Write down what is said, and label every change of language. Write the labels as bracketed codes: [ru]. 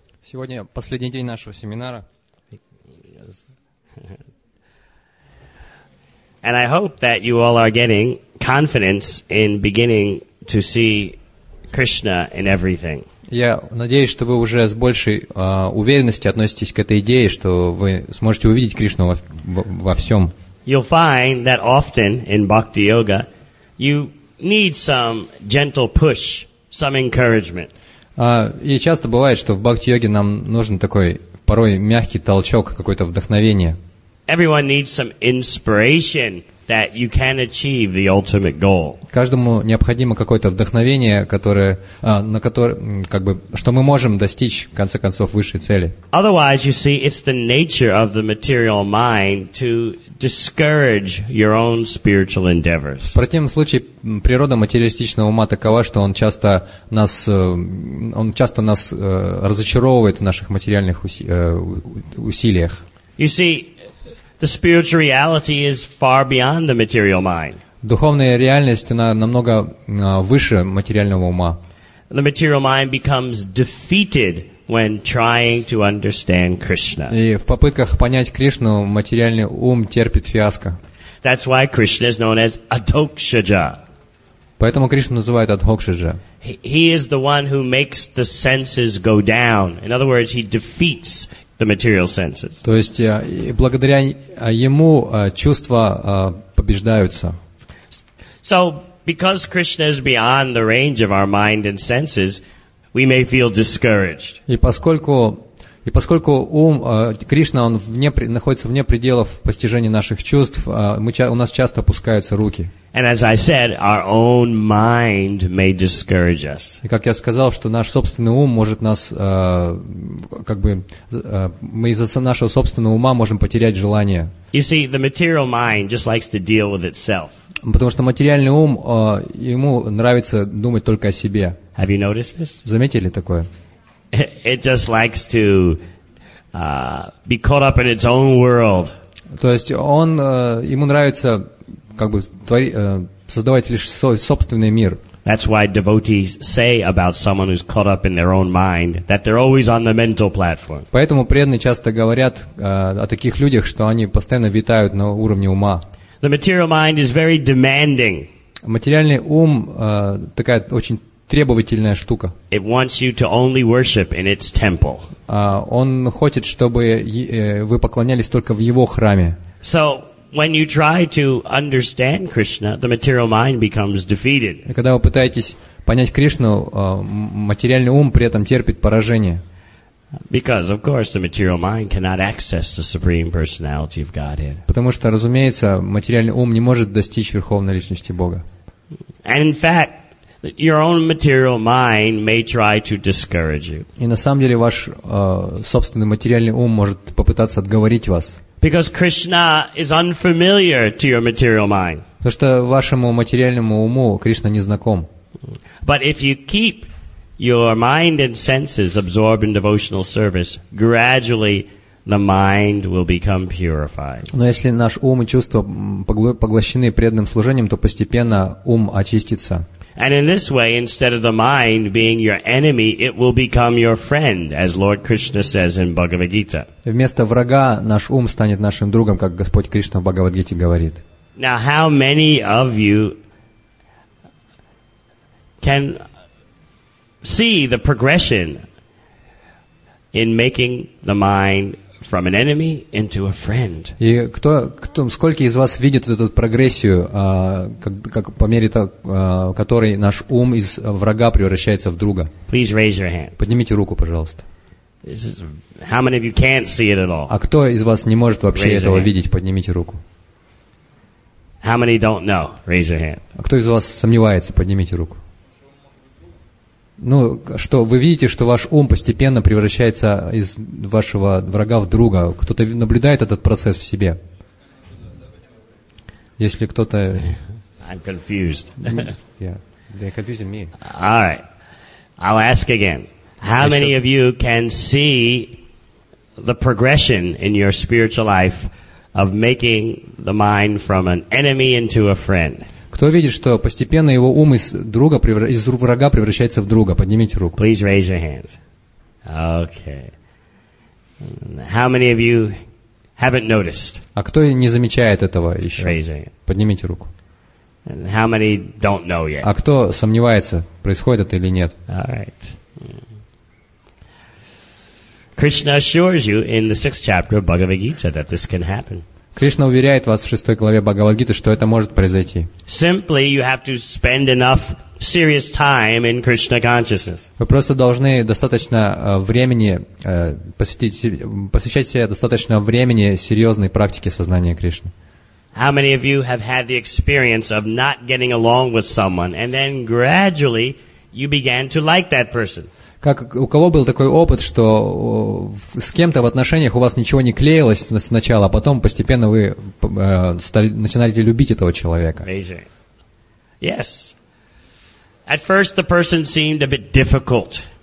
[ru] Сегодня последний день нашего семинара. [en] And I hope that you all are getting confidence in beginning to see Krishna in everything. [ru] Я надеюсь, что вы уже с большей уверенностью относитесь к этой идее, что вы сможете увидеть Кришну во всем. [en] You'll find that often in bhakti yoga, you need some gentle push, some encouragement. [ru] И часто бывает, что в бхакти-йоге нам нужен такой порой мягкий толчок, какое-то вдохновение. [en] Everyone needs some inspiration that you can achieve the ultimate goal. [ru] Каждому необходимо какое-то вдохновение, которое, на которое, как бы, что мы можем достичь, в конце концов, высшей цели. [en] Otherwise, you see, it's the nature of the material mind to discourage your own spiritual endeavors. [ru] В противном случае, природа материалистичного ума такова, что он часто нас, разочаровывает в наших материальных усилиях. [en] You see, the spiritual reality is far beyond the material mind. [ru] Духовная реальность, она намного выше материального ума. [en] The material mind becomes defeated when trying to understand Krishna. [ru] И в попытках понять Кришну материальный ум терпит фиаско. [en] That's why Krishna is known as Adhokshaja. [ru] Поэтому Кришну называют Адхокшаджа. [en] He is the one who makes the senses go down. In other words, he defeats the material senses. [ru] То есть благодаря ему чувства побеждаются. [en] So, because Krishna is beyond the range of our mind and senses, we may feel discouraged. [ru] И поскольку ум Кришна он находится вне пределов постижения наших чувств, у нас часто опускаются руки. [en] And as I said, our own mind may discourage us. [ru] И как я сказал, что наш собственный ум может нас, мы из-за нашего собственного ума можем потерять желание. [en] You see, the material mind just likes to deal with itself. [ru] Потому что материальный ум, ему нравится думать только о себе. [en] Have you noticed this? [ru] Заметили такое? [en] It just likes to be caught up in its own world. [ru] То есть он, ему нравится как бы создавать лишь собственный мир. [en] That's why devotees say about someone who's caught up in their own mind that they're always on the mental platform. [ru] Поэтому преданные часто говорят о таких людях, что они постоянно витают на уровне ума. [en] The material mind is very demanding. [ru] Материальный ум такая очень требовательная штука. [en] It wants you to only worship in its temple. [ru] Он хочет, чтобы вы поклонялись только в его храме. [en] So, when you try to understand Krishna, the material mind becomes defeated. [ru] Когда вы пытаетесь понять Кришну, материальный ум при этом терпит поражение. [en] Because, of course, the material mind cannot access the Supreme Personality of Godhead. [ru] Потому что, разумеется, материальный ум не может достичь Верховной Личности Бога. [en] And in fact, your own material mind may try to discourage you. [ru] И на самом деле ваш собственный материальный ум может попытаться отговорить вас. [en] Because Krishna is unfamiliar to your material mind. [ru] Потому что вашему материальному уму Кришна не знаком. [en] But if you keep your mind and senses absorbed in devotional service, gradually the mind will become purified. [ru] Но если наш ум и чувства поглощены преданным служением, то постепенно ум очистится. [en] And in this way, instead of the mind being your enemy, it will become your friend, as Lord Krishna says in Bhagavad Gita. [ru] Вместо врага наш ум станет нашим другом, как Господь Кришна в Бхагавадгите говорит. [en] Now, how many of you can see the progression in making the mind from an enemy into a friend? [ru] И кто, сколько из вас видит эту прогрессию, как по мере того, который наш ум из врага превращается в друга? [en] Please raise your hand. [ru] Поднимите руку, пожалуйста. [en] How many of you can't see it at all? [ru] А кто из вас не может вообще этого видеть? Поднимите руку. [en] How many don't know? Raise your hand. [ru] А кто из вас сомневается? Поднимите руку. Ну, что вы видите, что ваш ум постепенно превращается из вашего врага в друга. Кто-то наблюдает этот процесс в себе? Если кто-то... [en] I'm confused. Yeah. They're confusing me. All right. I'll ask again. How many of you can see the progression in your spiritual life of making the mind from an enemy into a friend? [ru] Кто видит, что постепенно его ум из друга из врага превращается в друга? Поднимите руку. [en] Please raise your hands. Okay. How many of you haven't noticed? [ru] А кто не замечает этого еще? [en] Raise your hand. [ru] Поднимите руку. [en] And how many don't know yet? [ru] А кто сомневается, происходит это или нет? [en] All right. Krishna assures you in the sixth chapter of Bhagavad Gita that this can happen. [ru] Кришна уверяет вас в шестой главе Бхагавад-гиты, что это может произойти. [en] Simply, you have to spend enough serious time in Krishna consciousness. [ru] Вы просто должны достаточно времени посвящать себе достаточно времени серьезной практике сознания Кришны. [en] How many of you have had the experience of not getting along with someone, and then gradually you began to like that person? [ru] Как у кого был такой опыт, что с кем-то в отношениях у вас ничего не клеилось сначала, а потом постепенно вы начинаете любить этого человека? [en] Amazing. Yes. At first the person seemed a bit difficult.